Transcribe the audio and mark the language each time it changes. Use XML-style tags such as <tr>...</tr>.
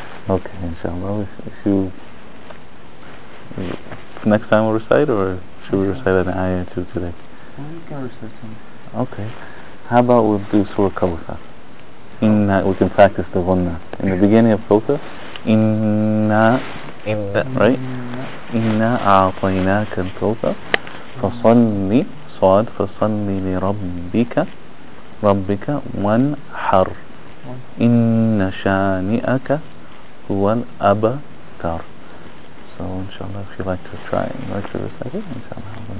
<en>Okay, inshallah. If next time we'll recite, or should we recite an ayah or two today? You can recite some. Okay. How about we'll do Surah Kawthar? Inna, we can practice the Ghunna. In the beginning of Kawthar, Inna, right?</en> <ar>Inna a'atainaka al-Kawthar. فصلي صاد فصلي لربك ربك وانحر إن شانئك هو الأبتر.</ar> <en>So inshallah, if you'd like to try and like to recite it, inshallah.</en>